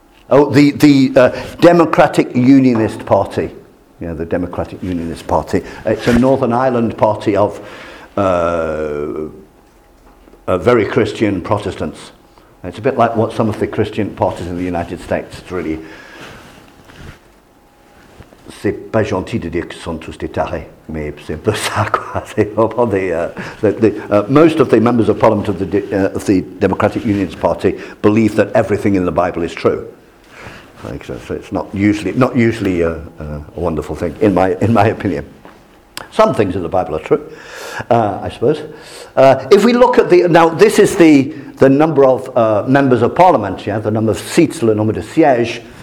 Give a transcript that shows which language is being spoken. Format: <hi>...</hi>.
<en>Oh, the Democratic Unionist Party. Yeah, the Democratic Unionist Party. It's a Northern Ireland party of very Christian Protestants. It's a bit like what some of the Christian parties in the United States. It's really...</en> <fr>C'est pas gentil de dire que sont tous des tarés, mais c'est un peu ça, quoi.</fr> <en>Most of the members of Parliament of the Democratic Unionist Party believe that everything in the Bible is true. So it's not usually a wonderful thing, in my opinion. Some things in the Bible are true, I suppose. If we look at this is the number of members of Parliament, yeah, the number of seats,</en> <fr>le nombre de siège.</fr>